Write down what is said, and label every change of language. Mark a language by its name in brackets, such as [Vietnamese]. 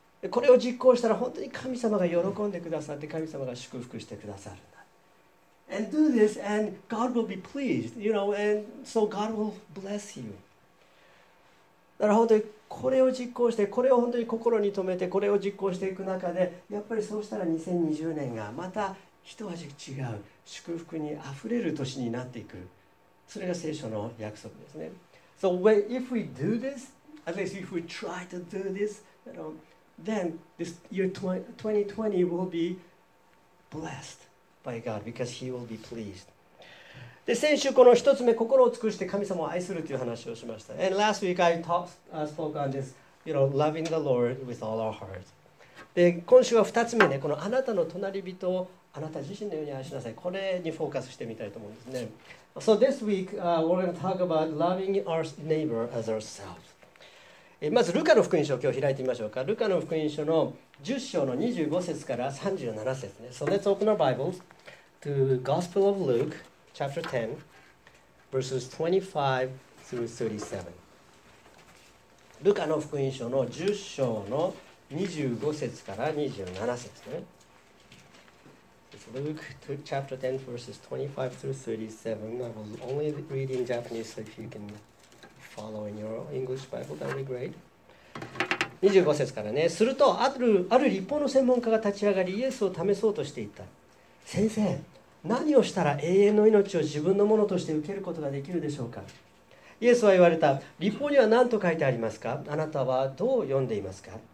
[Japanese] これを実行したら本当に神様が喜んでくださって神様が祝福してくださるんだ。 [English] And do this and God will be pleased, you know, and so God will bless you. [Japanese] だから本当にこれを実行して、これを本当に心に留めて、これを実行していく中で、やっぱりそうしたら2020年がまた一味違う祝福にあふれる年になっていく。それが聖書の約束ですね。 [English] So when, if we do this, at least if we try to do this, you know,Then this year 2020 will be blessed by God because He will be pleased. [Japanese] で先週この一つ目、心を尽くして神様を愛するという話をしました。 [English] And last week I spoke on this, you know, loving the Lord with all our heart. [Japanese] で今週は二つ目ね、このあなたの隣人をあなた自身のように愛しなさい。これにフォーカスしてみたいと思うんですね。 [English] So this week we're going to talk about loving our neighbor as ourselves. [Japanese] まずルカの福音書を今日開いてみましょうか。ルカの福音書の10章の25節から37節ね。 [English] So let's open our Bibles to Gospel of Luke, chapter 10, verses 25 through 37. [Japanese] ルカの福音書の10章の25節から27節ね。 [English] It's Luke chapter 10, verses 25 through 37. I will only read in Japanese so if you can... Following your English Bible, that'd be great. [Japanese] 25節からね。するとある立法の専門家が立ち上がり、イエスを試そうとしていった。先生、何をしたら永遠の命を自分のものとして受けることができるでしょうか。イエスは言われた。律法には何と書いてありますか？あなたはどう読んでいますか？